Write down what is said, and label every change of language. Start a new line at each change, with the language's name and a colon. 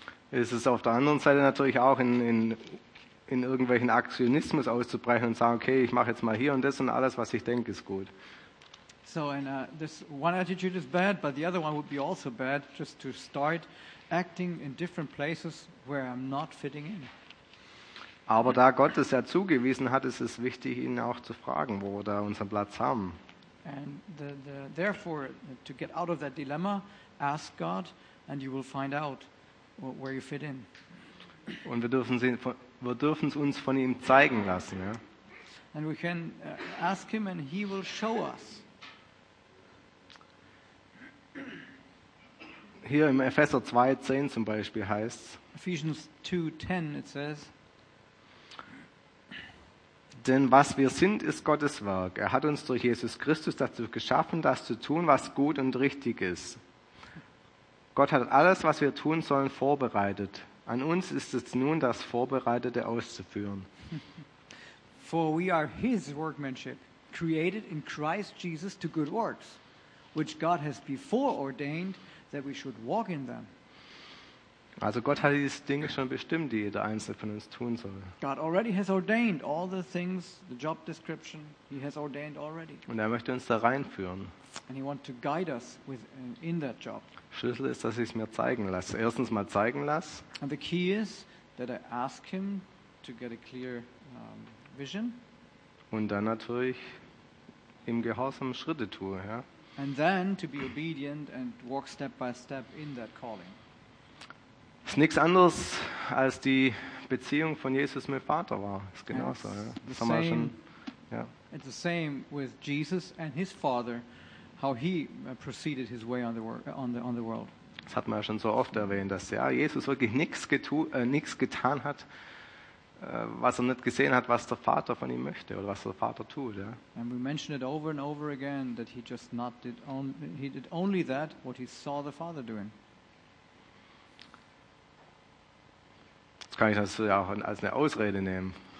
German: Es ist auf der anderen Seite natürlich auch in irgendwelchen Aktionismus auszubrechen und sagen, okay, ich mache jetzt mal hier und das und alles, was ich denke, ist gut.
English: So, and this one attitude is bad, but the other one would be also bad, just to start acting in different places where I'm not fitting in.
German: Aber da Gott es ja zugewiesen hat, ist es wichtig, ihn auch zu fragen, wo wir da unseren Platz haben.
English: And therefore, to get out of that dilemma, ask God, and you will find out where you fit in.
German: Und wir dürfen es uns von ihm zeigen lassen, ja?
English: And we can ask him, and he will show us.
German: Hier im Epheser 2:10 zum Beispiel heißt es,
English: Ephesians 2:10 it says,
German: denn was wir sind, ist Gottes Werk. Er hat uns durch Jesus Christus dazu geschaffen, das zu tun, was gut und richtig ist. Gott hat alles, was wir tun sollen, vorbereitet. An uns ist es nun, das Vorbereitete auszuführen.
English: For we are his workmanship, created in Christ Jesus to good works, which God has before ordained that we should walk in them.
German: Also Gott hat diese Dinge schon bestimmt, die jeder einzelne von uns tun soll.
English: God already has ordained all the things, the job description he has ordained already.
German: Und er möchte uns da reinführen.
English: And he want to guide us with in that job.
German: Schlüssel ist, dass ich es mir zeigen lasse. Erstens mal zeigen lasse.
English: And the key is that I ask him to get a clear vision.
German: Und dann natürlich im Gehorsam Schritte tue, ja.
English: And then to be obedient and walk step by step in that calling.
German: Ist nichts anderes als die Beziehung von Jesus mit Vater war. Ist genauso.
English: It's the same. It's the same with Jesus and his Father, how he proceeded his way on the world.
German: Das hat man ja schon so oft erwähnt, dass ja Jesus wirklich nichts getan hat, was er nicht gesehen hat, was der Vater von ihm möchte oder was der Vater tut. Ja.
English: And we mentioned it over and over again that he just not did only, he did only that what he saw the Father doing.
German: Jetzt kann ich das ja auch als eine Ausrede nehmen.